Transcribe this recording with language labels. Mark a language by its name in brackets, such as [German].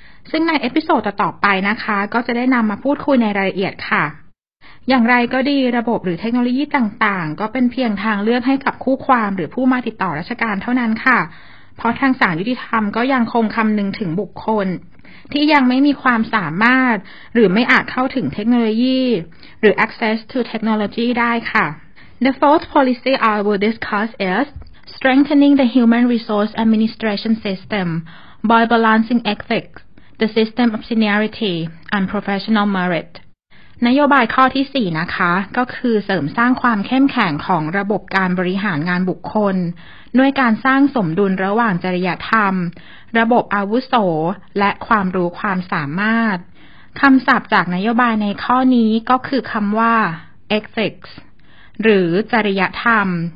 [Thai] ซึ่งในเอพิโซดต่อไปนะคะก็จะได้นำมาพูดคุยในรายละเอียดค่ะอย่างไรก็ดีระบบหรือเทคโนโลยีต่างๆก็เป็นเพียงทางเลือกให้กับคู่ความหรือผู้มาติดต่อราชการเท่านั้นค่ะเพราะทางศาลยุติธรรมก็ยังคงคำนึงถึงบุคคลที่ยังไม่มีความสามารถหรือไม่อาจเข้าถึงเทคโนโลยีหรือ [English] access to technology [Thai] ได้ค่ะ [English] The fourth policy I will discuss is strengthening the human resource administration system by balancing ethics, the system of seniority, and professional merit. [Thai] นโยบายข้อที่4นะคะก็คือเสริมสร้างความเข้มแข็งของระบบการบริหารงานบุคคลด้วยการสร้างสมดุลระหว่างจริยธรรมระบบอาวุโสและความรู้ความสามารถคำศัพท์จากนโยบายในข้อนี้ก็คือคำว่า ethics หรือจริยธรรม